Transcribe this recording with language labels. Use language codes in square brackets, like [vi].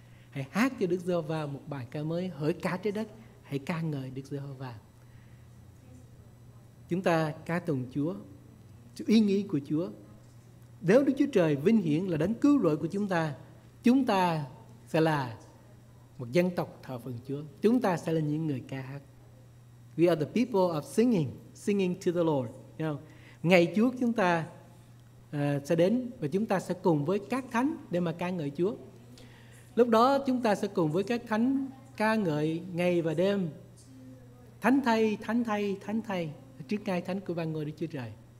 [vi] Hãy hát cho Đức Giê-hô-va một bài ca mới. Hỡi cả trái đất, hãy ca ngợi Đức Giê-hô-va. Chúng ta ca tụng Chúa, sự uy nghi của Chúa. Nếu Đức Chúa Trời vinh hiển là đấng cứu rỗi của chúng ta sẽ là một dân tộc thờ phượng Chúa. Chúng ta sẽ là những người ca hát. [en] We are the people of singing to the Lord. You know? [vi] Ngày Chúa chúng ta sẽ đến và chúng ta sẽ cùng với các thánh để mà ca ngợi Chúa. Lúc đó chúng ta sẽ cùng với các thánh ca ngợi ngày và đêm. Thánh thay trước ngai thánh của Vạn Ngôi Đức Chúa Trời.